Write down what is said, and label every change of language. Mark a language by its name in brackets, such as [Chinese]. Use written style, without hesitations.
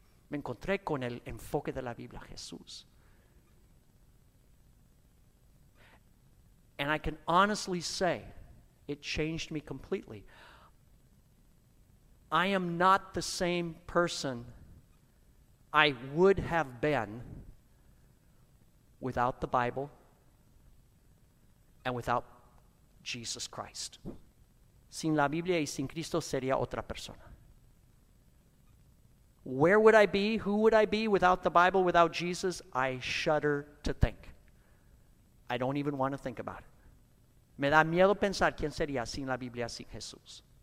[Spanish] Me encontré con el enfoque de la Biblia, Jesús. [English] And I can honestly say it changed me completely. I am not the same person I would have been without the Bible and without Jesus Christ. [Spanish] Sin la Biblia y sin Cristo sería otra persona. [English] Where would I be? Who would I be without the Bible, without Jesus? I shudder to think. I don't even want to think about it. [Spanish] Me da miedo pensar quién sería sin la Biblia, sin Jesús.